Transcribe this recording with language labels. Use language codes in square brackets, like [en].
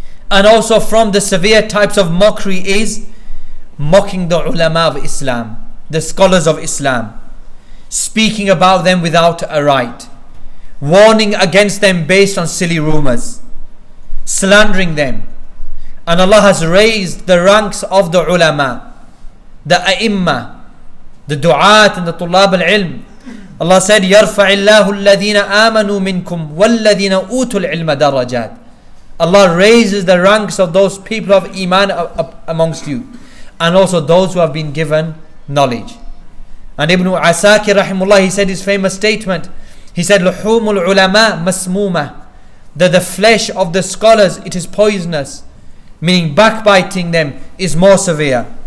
[en] And also from the severe types of mockery is mocking the ulama of Islam, the scholars of Islam, speaking about them without a right, warning against them based on silly rumors, slandering them. And Allah has raised the ranks of the ulama, the a'imma, the du'at and the tulab al-ilm. Allah said, [ar] يَرْفَعِ اللَّهُ الَّذِينَ آمَنُوا مِنْكُمْ وَالَّذِينَ أُوتُوا الْعِلْمَ دَرَجَاتِ. [en] Allah raises the ranks of those people of iman amongst you, and also those who have been given knowledge. And Ibn Asakir rahimullah, he said his famous statement, he said, [ar] لُحُومُ الْعُلَمَاء مَسْمُومَةً, [en] that the flesh of the scholars, it is poisonous, meaning backbiting them is more severe.